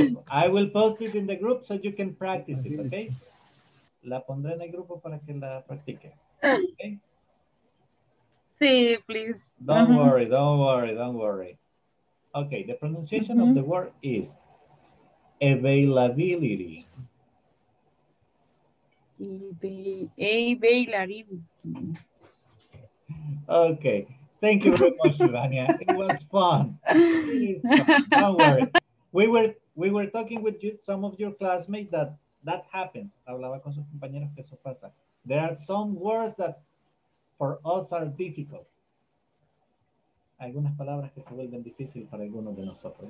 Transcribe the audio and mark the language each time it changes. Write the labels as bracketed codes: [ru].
[en] I will post it in the group so you can practice it, okay? [es] La pondré en el grupo para que la practique, okay? Sí, please. [en] Don't worry. Okay, the pronunciation mm-hmm. of the word is availability. Okay, thank you very much, Ivania. It was fun. Please, don't worry. We were talking with you, some of your classmates that happens. [es] Hablaba con sus compañeros que eso pasa. [en] There are some words that for us are difficult. [es] Algunas palabras que se vuelven difícil para algunos de nosotros.